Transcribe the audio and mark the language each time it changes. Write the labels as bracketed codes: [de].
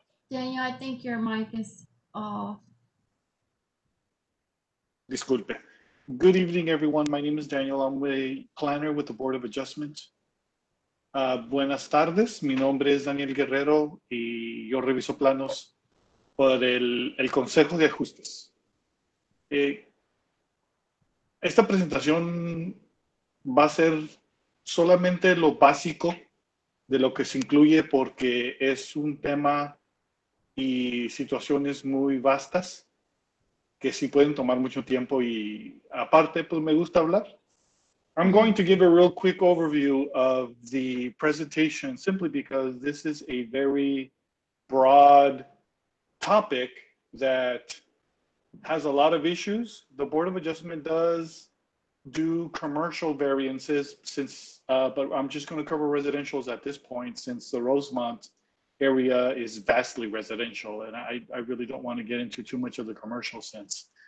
[en] Daniel, I think your mic is off. [es] Disculpe. [en] Good evening, everyone. My name is Daniel. I'm a planner with the Board of Adjustment. [es] Buenas tardes. Mi nombre es Daniel Guerrero y yo reviso planos por el Consejo de Ajustes. Esta presentación va a ser solamente lo básico de lo que se incluye porque es un tema y situaciones muy vastas que sí pueden tomar mucho tiempo y aparte, pues me gusta hablar. [en] I'm going to give a real quick overview of the presentation simply because this is a very broad topic that has a lot of issues. The Board of Adjustment does do commercial variances since, but I'm just going to cover residentials at this point since the Rosemont area is vastly residential and I really don't want to get into too much of the commercial sense.